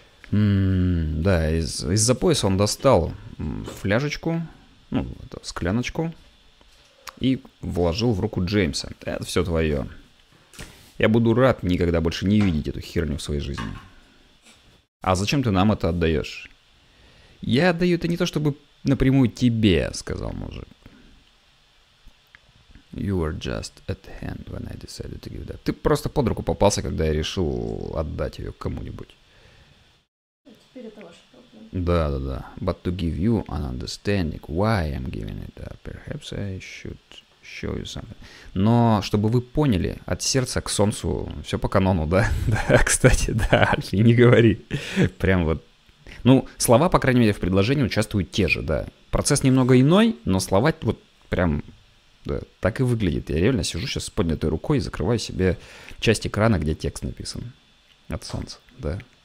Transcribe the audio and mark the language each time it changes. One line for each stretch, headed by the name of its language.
Russian: Да, из-за пояса он достал фляжечку, ну, это скляночку, и вложил в руку Джеймса. Это все твое. Я буду рад никогда больше не видеть эту херню в своей жизни. А зачем ты нам это отдаешь? Я отдаю это не то, чтобы напрямую тебе, сказал мужик.
English: You were just at hand when I decided to give that.
Russian: Ты просто под руку попался, когда я решил отдать ее кому-нибудь. Теперь это ваша проблема. Да.
English: But to give you an understanding why I'm giving it up, perhaps I should show you something.
Russian: Но чтобы вы поняли, от сердца к солнцу, все по канону, да? Да, кстати, да, Альфи, не говори. Прям вот. Ну, слова, по крайней мере, в предложении участвуют те же, да. Процесс немного иной, но слова вот прям, да, так и выглядит. Я реально сижу сейчас с поднятой рукой и закрываю себе часть экрана, где текст написан. От солнца, да.